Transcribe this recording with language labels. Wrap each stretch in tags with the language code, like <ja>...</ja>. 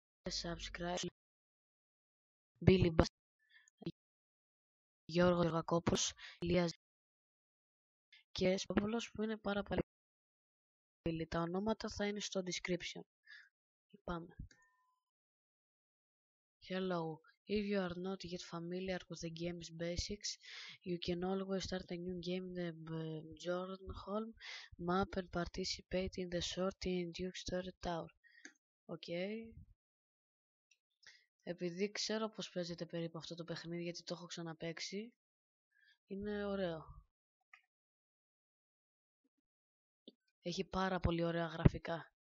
<el>Subscribe. Billy Bass. Γιώργο Γιωργακόπουλος, Ηλίας και Σπαπολός, που είναι πάρα πολύ φίλοι. Τα ονόματα θα είναι στο description. Πάμε.</el> <en>Hello. If you are not yet familiar with the game's basics, you can always start a new game in the Bjornholm map and participate in the short in Duke Story Tower. Okay.</en> <el>Επειδή ξέρω πως παίζεται περίπου αυτό το παιχνίδι, γιατί το έχω ξαναπαίξει, είναι ωραίο. Έχει πάρα πολύ ωραία γραφικά.</el>